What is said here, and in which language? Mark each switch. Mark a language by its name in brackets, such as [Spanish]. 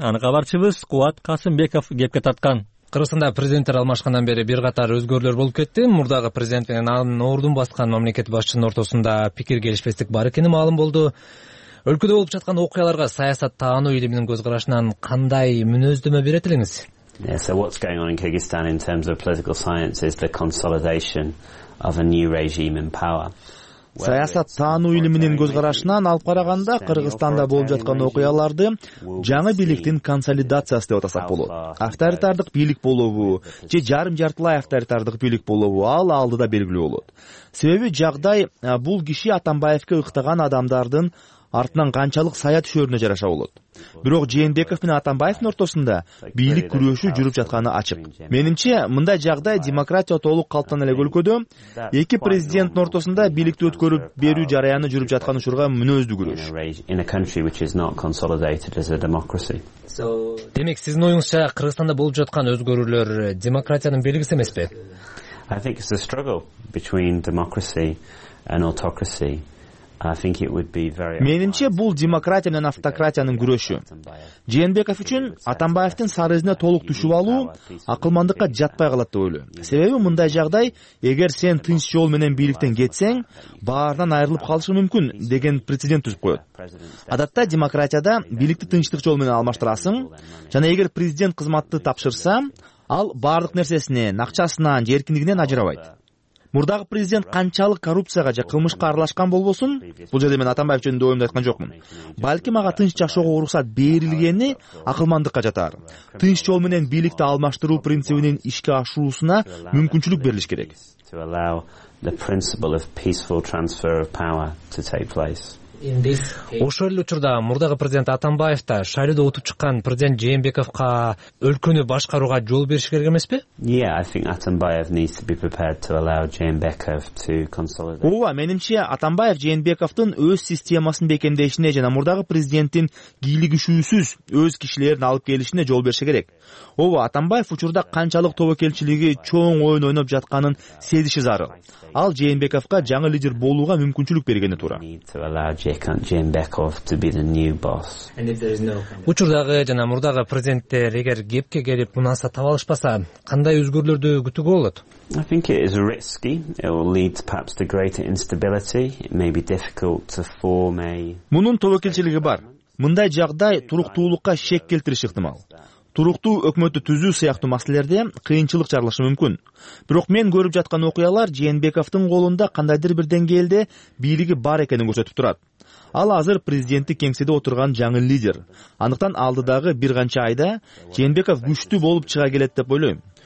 [Kyrgyz] Аны кабарчыбыз Кубат Касымбеков кепке тарткан. Кыргызстанда президенттер алмашкандан бери бир катар өзгөрүүлөр болуп кетти. Мурдагы президент менен анын ордун баскан мамлекет башчынын ортосунда пикир келишпестик бар экени маалым болду. Өлкөдө болуп жаткан окуяларга саясат таануу илиминин көз карашынан кандай мүнөздөмө берет элеңиз? [English] So what's going on in Kyrgyzstan in terms of political science is the consolidation of a new regime in power. [Kyrgyz] Саясат таануу илиминин көз карашынан алып караганда Кыргызстанда болуп жаткан окуяларды жаңы бийликтин консолидациясы деп атасак болот. Авторитардык бийлик болобу же жарым жартылай авторитардык бийлик болобу, ал алдыда белгилүү болот. Себеби жагдай бул киши Атамбаевке ыктаган адамдардын артынан канчалык сая түшөрүнө жараша болот. Бирок Жээнбеков менен Атамбаевдин ортосунда бийлик күрөшү жүрүп жатканы ачык. Менимче, мындай жагдай демократия толук калыптанган эле өлкөдө эки президенттин ортосунда бийликти өткөрүп берүү жараяны жүрүп жаткан учурга мүнөздүү күрөш. Демек, сиздин оюңузча Кыргызстанда болуп жаткан өзгөрүүлөр демократиянын белгиси эмеспи? [English] I think it's a struggle between democracy and autocracy. [Kyrgyz] Менимче, бул демократия менен автократиянын күрөшү. Жээнбеков үчүн Атамбаевдин сары изине толук түшүп алуу акылмандыкка жатпай калат деп ойлойм. Себеби мындай жагдай, эгер сен тынч жол менен бийликтен кетсең, баарынан айрылып калышың мүмкүн деген прецедент түзүп коет. Адатта демократияда бийликти тынчтык жол менен алмаштырасың, жана эгер президент кызматты тапшырса, ал баардык нерсесинен, акчасынан, эркиндигинен ажырабайт. Мурдагы президент канчалык коррупцияга же кылмышка аралашкан болбосун, бул жерде мен Атамбаев жөнүндө оюмду айткан жокмун. Балким ага тынч жашоого уруксат берилгени акылмандыкка жатар. Тынч жол менен бийликти алмаштыруу принцибинин ишке ашуусуна мүмкүнчүлүк берилиш керек. Ошол эле учурда мурдагы президент Атамбаев да шайлоодо утуп чыккан президент Жээнбековго өлкөнү башкарууга жол бериш керек эмеспи? [English] Yeah, I think Atambayev needs to be prepared to allow Jeenbekov to consolidate. [Kyrgyz] Ооба, менимче Атамбаев Жээнбековдун өз системасын бекемдешине жана мурдагы президенттин кийлигишүүсүз өз кишилерин алып келишине жол бериш керек. Ооба, Атамбаев учурда канчалык тобокелчилиги чоң оюн ойноп жатканын сезиши зарыл. Ал Жээнбековго жаңы лидер болууга мүмкүнчүлүк бергени туура. [English] Жээнбеков to be the new boss. [Kyrgyz] Учурдагы жана мурдагы президенттер эгер кепке келип мунаса табалышпаса, кандай өзгөрүүлөрдү күтүүгө болот? [English] I think it is risky. It will lead to perhaps to greater instability. It may be difficult to form a [Kyrgyz] Мунун тобокелчилиги бар. Мындай жагдай туруктуулукка шек келтириши ыктымал. Туруктуу өкмөттү түзүү сыяктуу маселелерде кыйынчылык жарылышы мүмкүн. Бирок мен көрүп жаткан окуялар Жээнбековдун колунда кандайдыр бир деңгээлде бийлиги бар экенин көрсөтүп турат. Ал азыр президенттик кеңседе отурган жаңы лидер. Андыктан алдыдагы бир канча айда Жээнбеков күчтүү болуп чыга келет деп ойлойм.